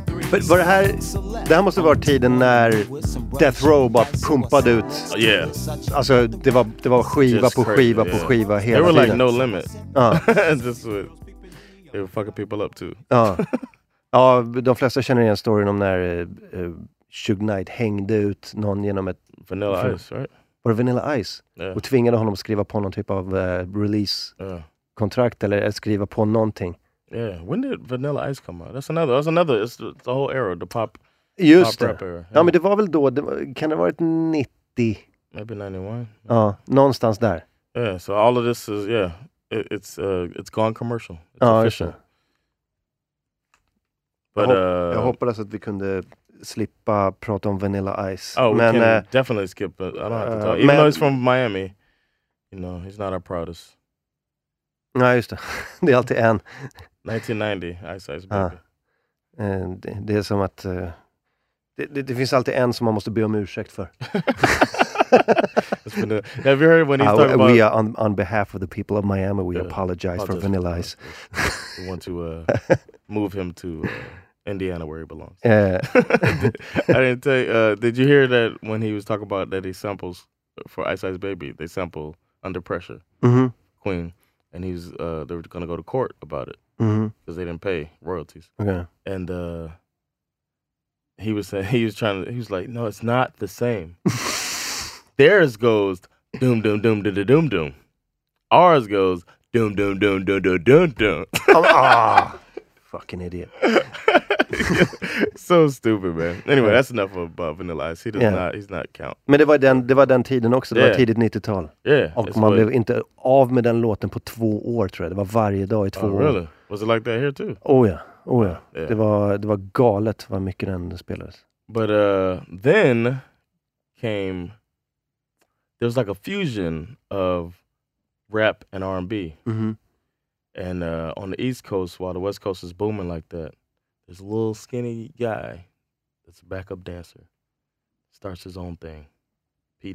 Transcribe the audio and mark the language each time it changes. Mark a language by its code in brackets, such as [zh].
[sv] But var det här, det här måste vara tiden när Death Row bara pumpade ut. [en] Yeah. [sv] Alltså det var skiva på skiva på skiva hela tiden. [en] They were like [sv] tiden. [en] No limit. This was, they were fucking people up too. [sv] Ja. Ja, de flesta känner igen storyn om när Suge Knight hängde ut någon genom ett... [en] Vanilla Ice, right? [sv] Var det Vanilla Ice? [en] Yeah. [sv] Och tvingade honom att skriva på någon typ av release-kontrakt eller att skriva på någonting. [en] Yeah, when did Vanilla Ice come out? That's another, it's the whole era, the pop. Just pop era. Yeah. Ja, men det var väl då, kan det ha varit 90? Maybe 91. Ja, någonstans där. Yeah, so all of this is, yeah, it's gone commercial. It's official. [sv] But, jag hoppades att vi kunde slippa prata om Vanilla Ice. [en] Oh, we men, can definitely skip it. I don't have to talk. Even though he's from Miami, you know, he's not our proudest. [sv] Nej, just det. Det är alltid en. [en] 1990, Ice Ice Baby. [sv] Det är som att det finns alltid en som man måste be om ursäkt för. [en] Have you heard when he's talking about... We are on behalf of the people of Miami, we apologize for Vanilla Ice. We want to move him to Indiana, where he belongs. Yeah. I didn't tell you, did you hear that when he was talking about that he samples for Ice Ice Baby, they sample Under Pressure, mm-hmm. Queen. And he's they were gonna go to court about it because they didn't pay royalties. Okay, and he was like, no, it's not the same. Theirs goes doom doom doom doom doom doom. Ours goes doom doom doom doom doom doom doom. Ah, fucking idiot. So stupid, man. Anyway, that's enough about Vanilla Ice. He's not count. [sv] Men det var den tiden också. Det var tidigt 90-tal. [en] Yeah. [sv] Och man blev inte av med den låten på 2 år, tror jag. Det var varje dag i 2 år. [en] Really? Was it like that here too? [sv] Oh ja. Det var galet vad mycket den spelades. [en] But then came, there was like a fusion of rap and R&B. Mm-hmm. And on the East Coast, while the West Coast is booming like that, this little skinny guy that's a backup dancer starts his own thing, P.